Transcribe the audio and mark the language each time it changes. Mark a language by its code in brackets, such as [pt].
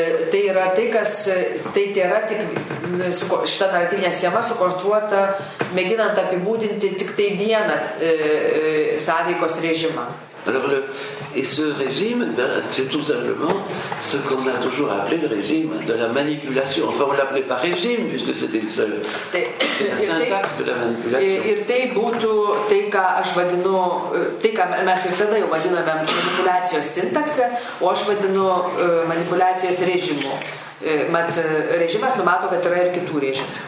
[lt] Tai yra tai, kas tai yra tik šita naratyvinė schema sukonstruota mėginant apibūdinti tik tai vieną sąveikos režimą. [fr] Alors et ce régime, ben, c'est tout simplement ce qu'on a toujours appelé le régime de la manipulation. Enfin, on l'appelait pas régime puisque c'était le seul. C'est la syntaxe de la manipulation. [lt] Ir tai būtų tai, ką aš vadinu, tai ką mes ir tada jau vadinome manipulacijos sintaksė, o aš vadinu manipulacijos režimu. Mat régimes numato kad yra ir kitų režimų.